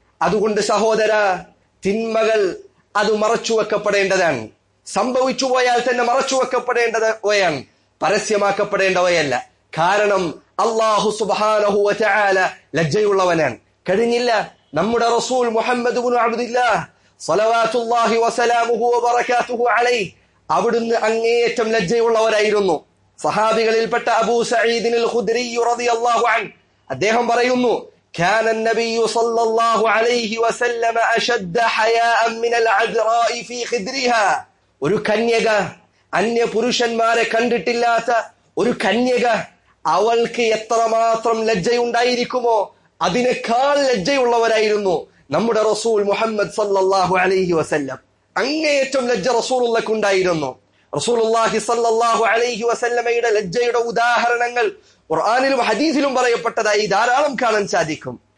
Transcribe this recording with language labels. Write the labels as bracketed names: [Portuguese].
[Malayalam] അതുകൊണ്ട് സഹോദര, തിന്മകൾ അത് മറച്ചു വെക്കപ്പെടേണ്ടതാണ്, സംഭവിച്ചു പോയാൽ തന്നെ മറച്ചു വെക്കപ്പെടേണ്ടവയാണ്, പരസ്യമാക്കപ്പെടേണ്ടവയല്ല. കാരണം അള്ളാഹു സുബ്ഹാനഹു വതആല ലജ്ജയുള്ളവനാണ്. കഴിഞ്ഞില്ല നമ്മുടെ റസൂൽ മുഹമ്മദ് ഇബ്നു അബ്ദുല്ലാഹ് സ്വലവാത്തുല്ലാഹി വസലാമുഹു വബറകാതുഹു അലൈഹി, അവിടുന്ന് അങ്ങേയറ്റം ലജ്ജയുള്ളവരായിരുന്നു. സഹാബികളിൽപ്പെട്ട അബൂ സഈദിൻ അൽഖുദ്രി റളിയല്ലാഹു അൻ അദ്ദേഹം പറയുന്നു, [Arabic] كان النبي صلى الله عليه وسلم اشد حياء من العذراء في خدرها. [Malayalam] ഒരു കന്യക, അന്യ പുരുഷന്മാരെ കണ്ടിട്ടില്ലാത്ത ഒരു കന്യക, അവൾക്ക് എത്രമാത്രം ലജ്ജയുണ്ടായിരിക്കുമോ അതിനേക്കാൾ ലജ്ജയുള്ളവരായിരുന്നു നമ്മുടെ റസൂൽ മുഹമ്മദ് സല്ലല്ലാഹു അലൈഹി വസല്ലം. അങ്ങേയറ്റം ലജ്ജ റസൂലുള്ളക്ക് ഉണ്ടായിരുന്നു. റസൂലുള്ളാഹി സല്ലല്ലാഹു അലൈഹി വസല്ലമയുടെ ലജ്ജയുടെ ഉദാഹരണങ്ങൾ ഖുർആനിലും ഹദീസിലും പറയപ്പെട്ടതായി ധാരാളം കാണാൻ സാധിക്കും.